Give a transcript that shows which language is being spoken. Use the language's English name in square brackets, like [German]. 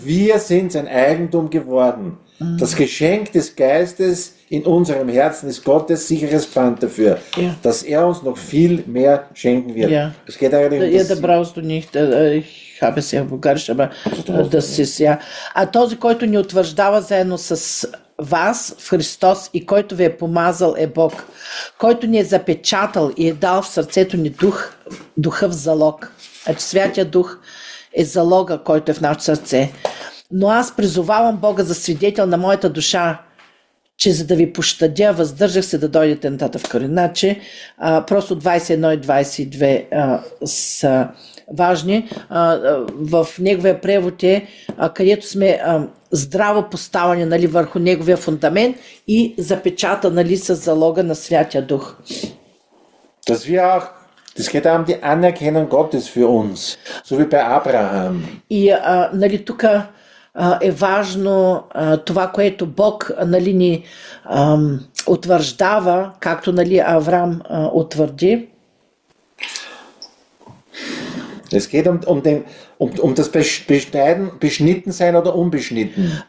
[German] Wir sind sein Eigentum geworden. Das Geschenk des Geistes in unserem Herzen ist Gottes sicheres Pfand dafür, ja, dass er uns noch viel mehr schenken wird. Ja. Es geht eigentlich um das. Ja, da brauchst du nicht. Ich habe es ja bulgarisch, aber das ist ja. [Bulgarian] А този, който ни утвърждава заедно с вас в Христос и който ви е помазал е Бог, който ни е запечатал и е дал в сърцето ни духа в залог. А че Святия Дух е залога, който е в нашето сърце. Но аз призовавам Бога за свидетел на моята душа, че за да ви пощадя, въздържах се да дойдете нататък в Коринт. Значи, просто 21 и 22 са важни. В неговия превод е, където сме здраво поставени, нали, върху неговия фундамент и запечата, нали, с залога на Святия Дух. [German] Das wir auch, das geht um die Anerkennung Gottes für uns, so wie bei Abraham. [Bulgarian] И, нали, тук е важно това, което Бог, нали, ни утвърждава, както, нали, Авраам утвърди. [German] Es geht um das beschneiden, beschnitten sein oder unbeschnitten.